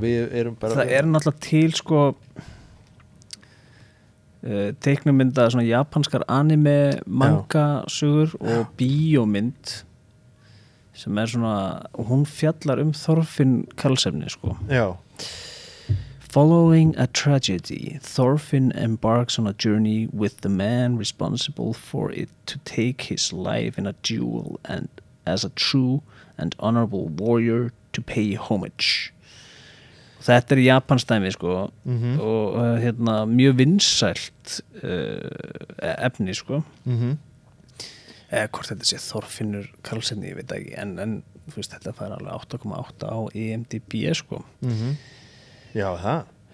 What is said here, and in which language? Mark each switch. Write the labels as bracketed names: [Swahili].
[Icelandic] Við erum bara það er náttúrulega til sko teiknumynda svona japanskar anime manga Já. Sögur og Já. Bíómynd sem er svona hún fjallar Þorfinn Karlsefni sko Já. [English] Following a tragedy, Thorfinn embarks on a journey with the man responsible for it to take his life in a duel and as a true and honorable warrior to pay homage. [Icelandic] Þetta er í japansk dæmi, sko, mm-hmm. og hérna, mjög vinsælt efni, sko. Mm-hmm. Hvort þetta sé Þorfinnur Karlsson, ég veit ekki, en þú veist, þetta fær alveg 8,8 á IMDb, sko. Mm-hmm. Já, það?